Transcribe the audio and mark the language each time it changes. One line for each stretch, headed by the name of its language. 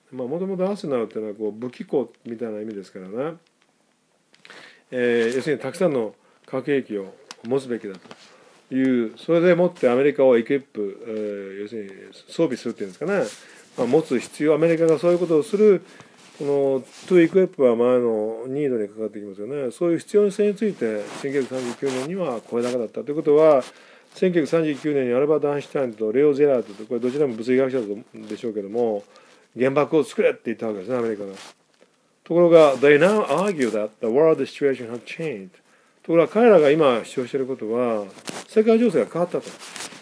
Japanese: まあ、もともとアーセナルというのはこう武器庫みたいな意味ですからね、要するにたくさんの核兵器を持つべきだという、それでもってアメリカをエキップ、要するに装備するというんですかね、まあ、持つ必要、アメリカがそういうことをする、このトゥーエクエップは前のニードにかかってきますよね。そういう必要性について1939年には超えなかったということは、1939年にアルバート・アインシュタインとレオ・ゼラートと、これどちらも物理学者でしょうけども、原爆を作れって言ったわけですね、アメリカが。
English: ところが They now argue that the world situation has changed。
Japanese: ところが彼らが今主張していることは、世界情勢が変わったと。